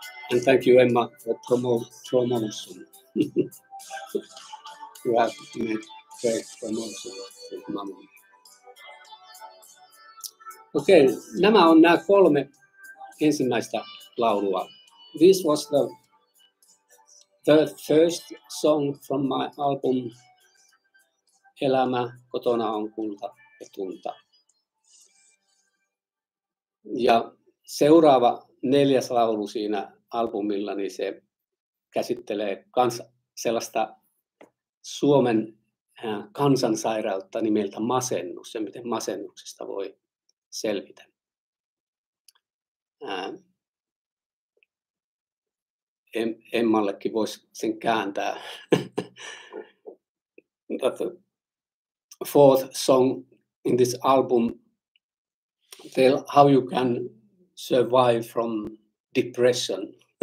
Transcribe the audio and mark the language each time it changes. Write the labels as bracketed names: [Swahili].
[English] And thank you, Emma, for promotion. You have made great promotion with Mama. [Finnish] Okay, nämä on nämä kolme ensimmäistä laulua. [English] This was the first song from my album Elämä kotona on kulta ja tulta. [Finnish] Ja seuraava neljäs laulu siinä albumilla, niin se käsittelee kans sellaista Suomen kansansairautta nimeltä masennus ja miten masennuksesta voi selvitä. Emmallekin voisi sen kääntää. [English] But the fourth song in this album tell how you can survive from depression.